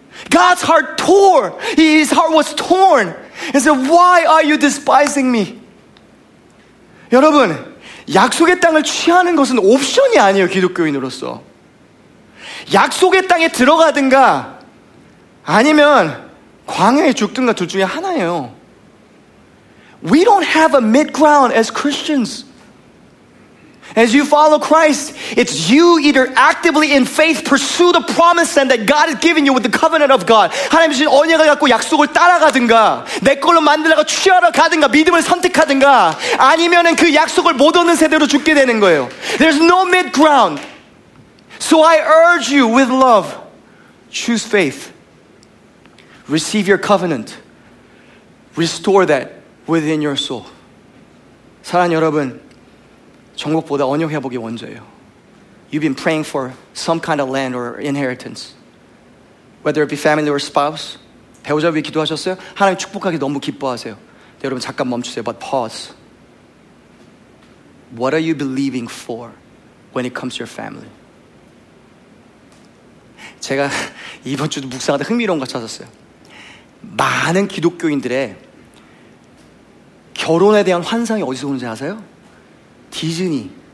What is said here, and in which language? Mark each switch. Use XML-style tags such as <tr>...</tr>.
<en>God's heart tore. His heart was torn. He said, why are you despising me?</en> <ko>여러분, 약속의 땅을 취하는 것은 옵션이 아니에요, 기독교인으로서. 약속의 땅에 들어가든가 아니면 광야에 죽든가 둘 중에 하나예요.</ko> <en>We don't have a mid-ground as Christians. As you follow Christ, it's you either actively in faith pursue the promise land that God has given you with the covenant of God.</en> <ko>하나님 주신 언약을 갖고 약속을 따라가든가 내 걸로 만들라고 취하러 가든가 믿음을 선택하든가 아니면은 그 약속을 못 얻는 세대로 죽게 되는 거예요.</ko> <en>There's no mid-ground. So I urge you with love, choose faith. Receive your covenant. Restore that within your soul.</en> <ko>사랑하는 여러분, 정복보다 언약 회복이 먼저예요.</ko> <en>You've been praying for some kind of land or inheritance. Whether it be family or spouse.</en> <ko>배우자 위해 기도하셨어요? 하나님 축복하기 너무 기뻐하세요. 네, 여러분 잠깐 멈추세요.</ko> <en>But pause. What are you believing for when it comes to your family?</en> <ko>제가 이번 주도 묵상하다 흥미로운 거 찾았어요. 많은 기독교인들의 결혼에 대한 환상이 어디서 오는지 아세요? 디즈니.</ko>